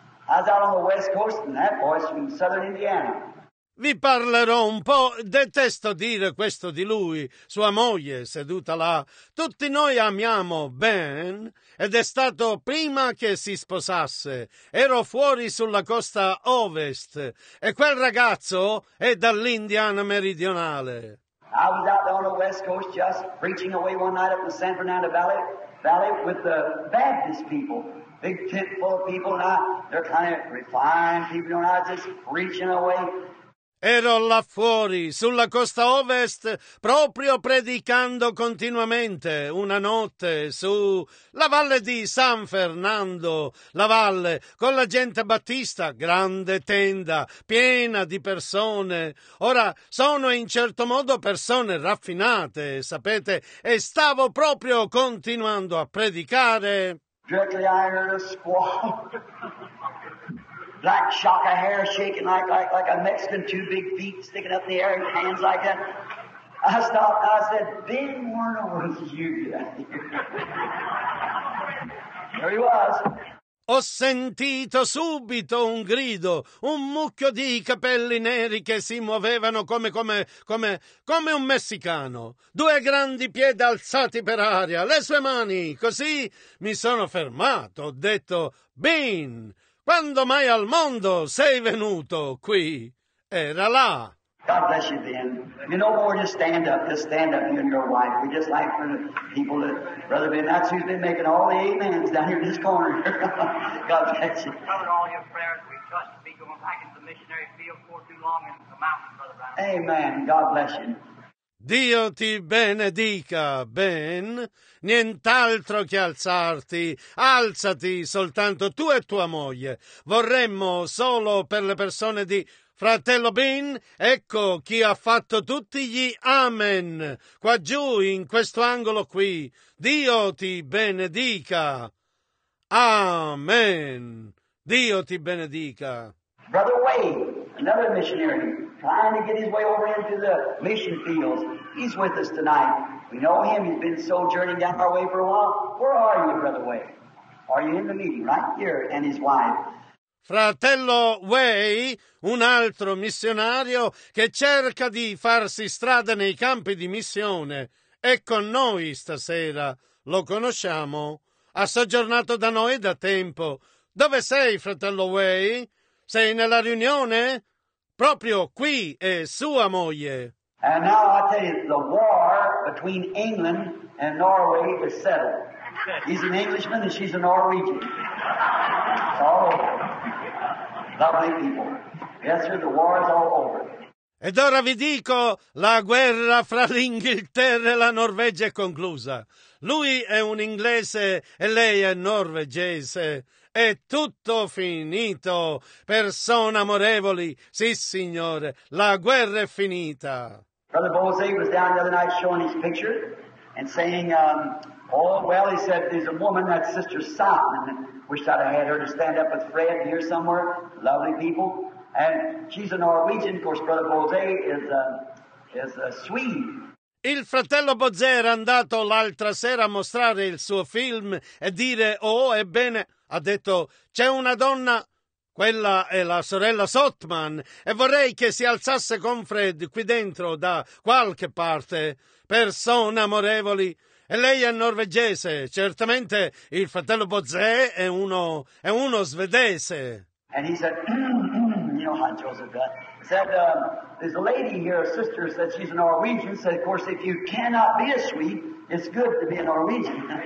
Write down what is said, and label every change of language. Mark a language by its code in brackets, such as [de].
[en] I was out on the west coast and that boy's from southern Indiana. [it] Vi parlerò un po', detesto dire questo di lui, sua moglie seduta là. Tutti noi amiamo Ben ed è stato prima che si sposasse. Ero fuori sulla costa ovest e quel ragazzo è dall'Indiana meridionale. [en] I was out on the west coast just preaching away one night up in the San Fernando Valley with the Baptist people. Big tent full of people, and they're kind of refined people, and I was just preaching away. [it] Ero là fuori, sulla costa ovest, proprio predicando continuamente, una notte, su la valle di San Fernando, la valle, con la gente battista, grande tenda, piena di persone. Ora, sono in certo modo persone raffinate, sapete, e stavo proprio continuando a predicare. [en] Directly I heard a squall. Black shock of hair shaking like a Mexican, two big feet sticking up in the air and hands like that. I stopped and I said, Ben Werner, what did you get out here? There he was. [it] Ho sentito subito un grido, un mucchio di capelli neri che si muovevano come un messicano. Due grandi piedi alzati per aria, le sue mani, così mi sono fermato, ho detto, Ben... Quando mai al mondo sei venuto qui? Era là. [en] God bless you, Ben. You know, more just stand up, you and your wife. We just like for the people that, Brother Ben, that's who's been making all the amens down here in this corner. God bless you. Covered all your prayers. We trust to be going back into the missionary field for too long in the mountains, Brother Brown. Amen. God bless you. [it] Dio ti benedica, Ben. Nient'altro che alzarti. Alzati soltanto tu e tua moglie. Vorremmo solo per le persone di fratello Ben, ecco chi ha fatto tutti gli amen. Qua giù, in questo angolo qui. Dio ti benedica. Amen. Dio ti benedica. [en] Brother Wade, another missionary, trying to get his way over into the mission fields. He's with us tonight. We know him. He's been sojourning down our way for a while. Where are you, Brother Way? Are you in the meeting? Right here, and his wife. [it] Fratello Way, un altro missionario che cerca di farsi strada nei campi di missione, è con noi stasera. Lo conosciamo. Ha soggiornato da noi da tempo. Dove sei, fratello Way? Sei nella riunione? Proprio qui è sua moglie. [en] And now I tell you, the war between England and Norway is settled. He's an Englishman and she's a Norwegian. It's all over. Lovely people. Yes, sir, the war is all over. [it] Ed ora vi dico, la guerra fra l'Inghilterra e la Norvegia è conclusa. Lui è un inglese e lei è norvegese. È tutto finito. Persone amorevoli. Sì, signore, la guerra è finita. [en] Brother Bosey was down the other night showing his picture and saying, he said, there's a woman, that's Sister Sotman. Wish I'd have had her to stand up with Fred here somewhere. Lovely people. And she's a Norwegian. Of course, Brother Bosey is a Swede. [it] Il fratello Bosey era andato l'altra sera a mostrare il suo film e dire, ebbene, ha detto, c'è una donna... Quella è la sorella Sotman e vorrei che si alzasse con Fred qui dentro da qualche parte. Persone amorevoli. E lei è norvegese. Certamente il fratello Bozé è uno svedese. [en] And he said, you know how Joseph got. Said, there's a lady here, a sister, said she's a Norwegian. Said, of course, if you cannot be a Swede, it's good to be a Norwegian.